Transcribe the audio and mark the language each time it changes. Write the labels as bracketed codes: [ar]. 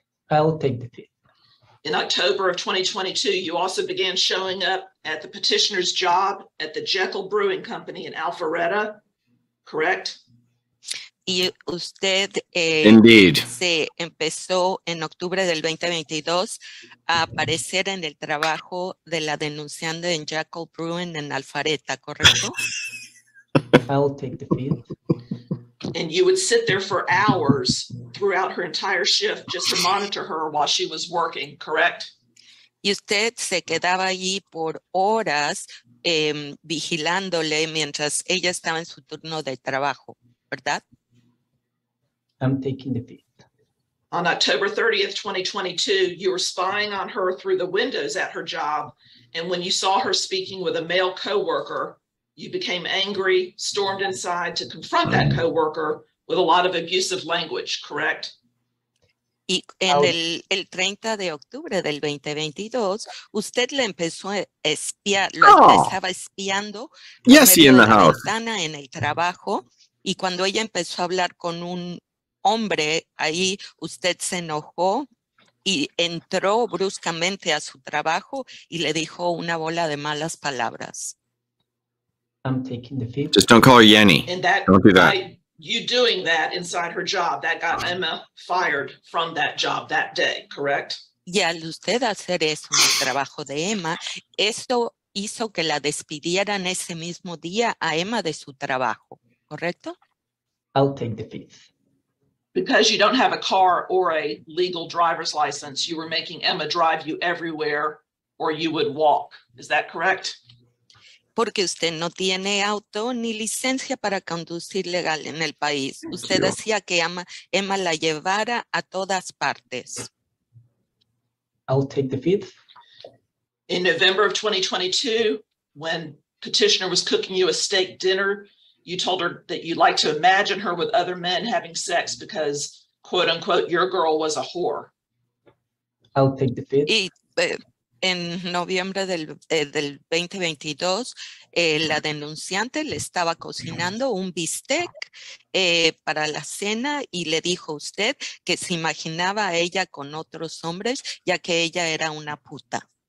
[en] I'll take the fifth. In October of 2022, you also began showing up at the petitioner's job at the Jekyll Brewing Company in Alpharetta, correct? [es] Y usted [en] indeed. [es] Se empezó en octubre del 2022 a aparecer en el trabajo de la denunciante en Jekyll Brewing en Alpharetta, ¿correcto? [en] I'll take the fifth. And you would sit there for hours throughout her entire shift just to monitor her while she was working, correct? [es] Y usted se quedaba allí por horas vigilándole mientras ella estaba en su turno de trabajo, ¿verdad? [en] I'm taking the fifth. On October 30th, 2022, you were spying on her through the windows at her job. And when you saw her speaking with a male coworker, you became angry, stormed inside to confront that coworker with a lot of abusive language, correct? [es] Y en el 30 de octubre del 2022, usted le empezó a espiar, lo estaba espiando. [en] Yes, he in the house. [es] Ventana en el trabajo, y cuando ella empezó a hablar con un hombre, ahí usted se enojó y entró bruscamente a su trabajo y le dijo una bola de malas palabras. [en] I'm taking the fifth. Just don't call her Yeti. And that, don't do that. You doing that inside her job, that got Emma fired from that job that day, correct? [es] Y al usted hacer eso en el trabajo de Emma, esto hizo que la despidieran ese mismo día a Emma de su trabajo, ¿correcto? [en] I'll take the fifth. Because you don't have a car or a legal driver's license, you were making Emma drive you everywhere or you would walk. Is that correct? [es] Porque usted no tiene auto ni licencia para conducir legal en el país. Usted hacía que Emma la llevara a todas partes. [en] I'll take the fifth. In November of 2022, when petitioner was cooking you a steak dinner, you told her that you'd like to imagine her with other men having sex because, quote unquote, your girl was a whore. I'll take the fifth. [es] En noviembre del 2022, la denunciante le estaba cocinando un bistec para la cena y le dijo a usted que se imaginaba a ella con otros hombres, ya que ella era una puta.